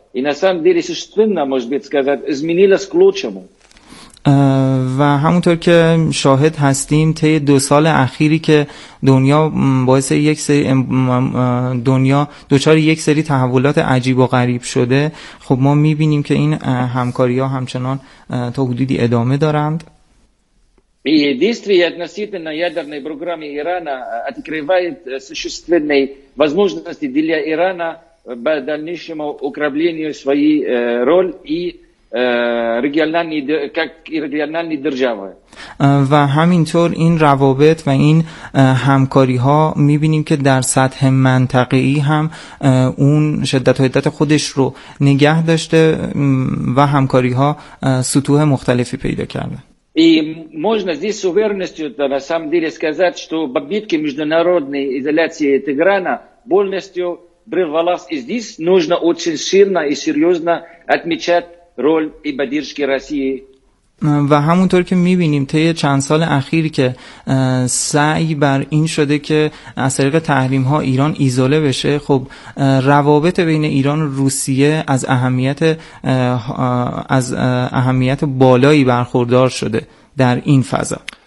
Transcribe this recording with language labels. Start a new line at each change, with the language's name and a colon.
Russian: И на самом деле существенно, может быть, сказать, изменилось к лучшему.
Persian: و همونطور که شاهد هستیم طی دو سال اخیری که دنیا باعث یک سری دنیا دوچار یک سری تحولات عجیب و غریب شده، خب ما می‌بینیم که این همکاری‌ها همچنان تا حدودی ادامه دارند.
Russian: Действия относительно ядерной программы Ирана открывает существенные возможности для Ирана в дальнейшем укреплении своей роли и региональной как региональной державы.
Persian: و همینطور این روابط و این همکاری‌ها می‌بینیم که در سطح منطقه‌ای هم اون شدت و حدت خودش رو نگه داشته و همکاری‌ها سطوح مختلفی پیدا کرده.
Russian: И можно здесь с уверенностью на самом деле сказать, что попытки международной изоляции Тиграна полностью прервалась. И здесь нужно очень сильно и серьезно отмечать роль и поддержки России.
Persian: و همونطور که می‌بینیم طی چند سال اخیر که سعی بر این شده که از طریق تحریم‌ها ایران ایزوله بشه، خب روابط بین ایران و روسیه از اهمیت بالایی برخوردار شده در این فضا.